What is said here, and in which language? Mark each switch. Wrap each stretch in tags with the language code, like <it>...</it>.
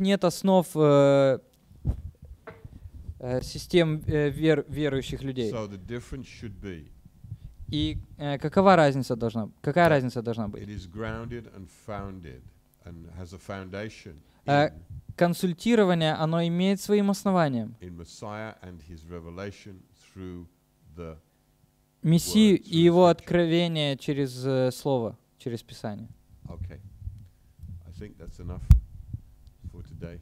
<ru>нет основ систем верующих людей.</ru> <en>So the difference should be,</en> <ru>и какова разница должна быть? Какая разница должна быть?</ru> <en>It is grounded and founded and has a foundation.</en> <ru>Консультирование, оно имеет своим основанием.</ru> <en>In Messiah and his revelation through the</en> <ru>Мессию и его откровение через слово, через Писание.</ru> <en>Okay. I think that's enough for today.</en>